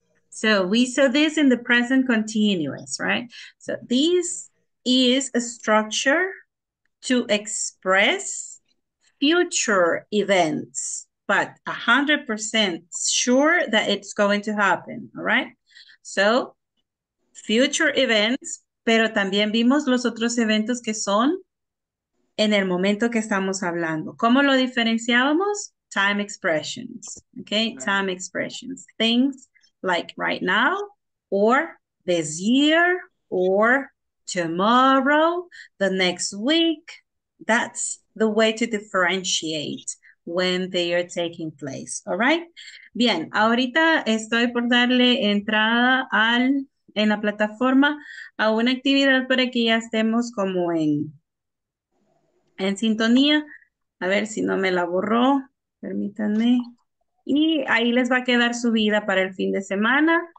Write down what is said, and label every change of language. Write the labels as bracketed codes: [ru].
[en] So we saw this in the present continuous, right? So this is a structure to express future events, but 100% sure that it's going to happen, all right? So, future events, [es] pero también vimos los otros eventos que son en el momento que estamos hablando. ¿Cómo lo diferenciábamos? [en] Time expressions, okay? Time expressions. Things like right now, or this year, or tomorrow, the next week. That's the way to differentiate when they are taking place, all right? [es] Bien, ahorita estoy por darle entrada en la plataforma a una actividad para que ya estemos como en sintonía. A ver si no me la borró, permítanme. Y ahí les va a quedar subida para el fin de semana.